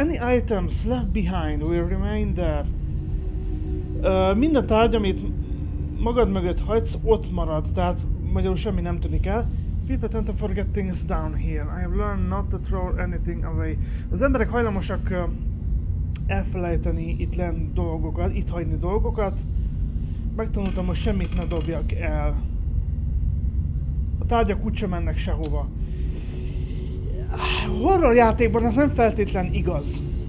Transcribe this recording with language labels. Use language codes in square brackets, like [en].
[en] Any items left behind will remain there. [hu] Mind a tárgy, amit magad mögött hagysz, ott marad. Tehát magyarul semmi nem tűnik el. [en] People tend to forget things down here. I have learned not to throw anything away. [hu] Az emberek hajlamosak elfelejteni itt lent dolgokat, itt hagyni dolgokat. Megtanultam, hogy semmit ne dobjak el. A tárgyak úgysem mennek sehova. Horror játékban ez nem feltétlen igaz.